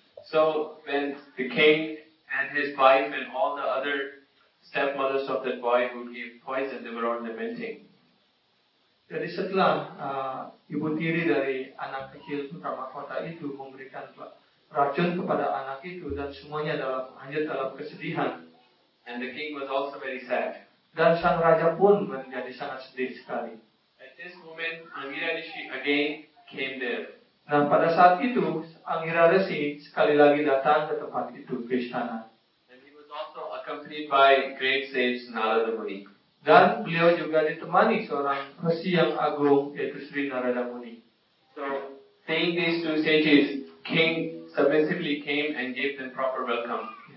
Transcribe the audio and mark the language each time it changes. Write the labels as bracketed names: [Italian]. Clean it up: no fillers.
[English] So when the king and his wife and all the other stepmothers of that boy who gave poison, they were all lamenting. [Indonesian] Jadi setelah ibu tiri dari anak kecil putra mahkota itu memberikan racun kepada anak itu dan semuanya hanyut dalam kesedihan. [English] And the king was also very sad. [Indonesian] Dan sang raja pun menjadi sangat sedih sekali. [English] At this moment, Angira Rishi again came there. [Indonesian] Nah, pada saat itu, Angira Rishi sekali lagi datang ke tempat itu, ke istana. [English] And he was also accompanied by great sage Narada Muni. [Indonesian] Dan beliau juga ditemani seorang resi yang agung, yaitu Sri Narada Muni. [English] So, seeing these two sages, King submissively came and gave them proper welcome.